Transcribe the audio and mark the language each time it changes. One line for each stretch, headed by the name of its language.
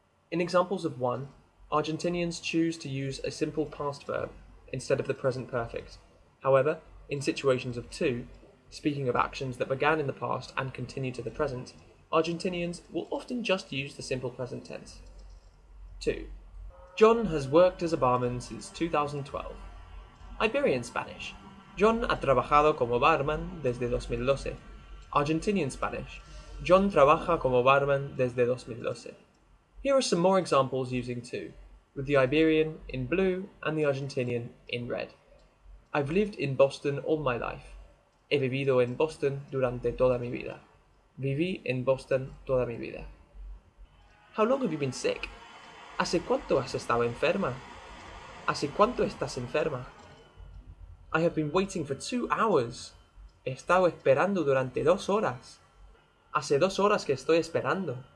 English: In examples of one, Argentinians choose to use a simple past verb instead of the present perfect. However, in situations of two, speaking of actions that began in the past and continue to the present, Argentinians will often just use the simple present tense. 2. John has worked as a barman since 2012. Iberian Spanish.
Spanish: John ha trabajado como barman desde 2012.
English: Argentinian Spanish.
Spanish: John trabaja como barman desde 2012.
English: Here are some more examples using 2, with the Iberian in blue and the Argentinian in red. I've lived in Boston all my life.
Spanish: He vivido en Boston durante toda mi vida. Viví en Boston toda mi vida.
English: How long have you been sick?
Spanish: ¿Hace cuánto has estado enferma? ¿Hace cuánto estás enferma?
English: I have been waiting for 2 hours.
Spanish: He estado esperando durante 2 horas. Hace 2 horas que estoy esperando.